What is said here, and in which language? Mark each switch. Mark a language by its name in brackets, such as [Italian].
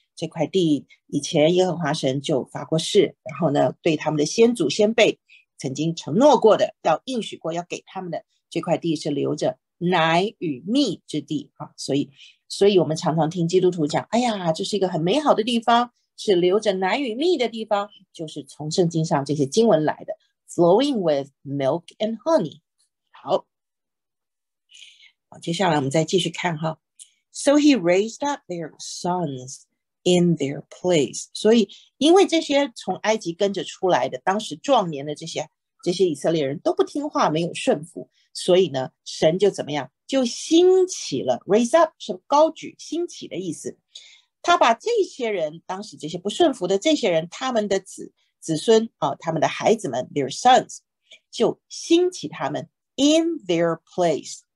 [Chinese] 这块地以前耶和华神就发过誓，然后呢对他们的先祖先辈曾经承诺过的，要应许过要给他们的这块地是留着奶与蜜之地啊，所以，我们常常听基督徒讲："哎呀，这是一个很美好的地方，是流着奶与蜜的地方。" 就是从圣经上这些经文来的， [English] "flowing with milk and honey。" [Chinese] 好，接下来我们再继续看哈。 [English] So he raised up their sons in their place。 [Chinese] 所以，因为这些从埃及跟着出来的，当时壮年的这些以色列人都不听话，没有顺服，所以呢，神就怎么样？就兴起了，raise up 是高举、兴起的意思。他把这些人，当时这些不顺服的这些人，他们的子孙啊，他们的孩子们，their sons，就兴起他们 [English] in their place。